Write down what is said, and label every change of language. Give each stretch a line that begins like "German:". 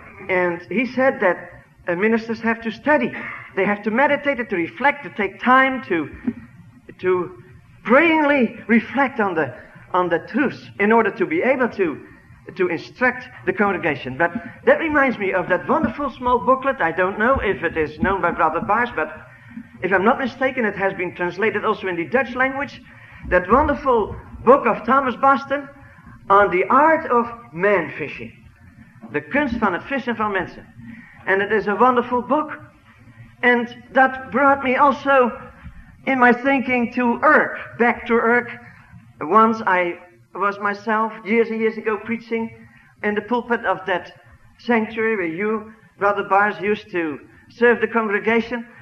English: And he said that ministers have to study. They have to meditate, to reflect, to take time to prayingly reflect on the truth in order to be able to instruct the congregation. But that reminds me of that wonderful small booklet. I don't know if it is known by Brother Byers, but if I'm not mistaken, it has been translated also in the Dutch language. That wonderful book of Thomas Boston on the art of man fishing.
Dutch: The kunst van het vissen van mensen.
English: And it is a wonderful book. And that brought me also in my thinking to Urk, back to Urk. Once I was myself years and years ago preaching in the pulpit of that sanctuary where you, Brother Byers, used to serve the congregation.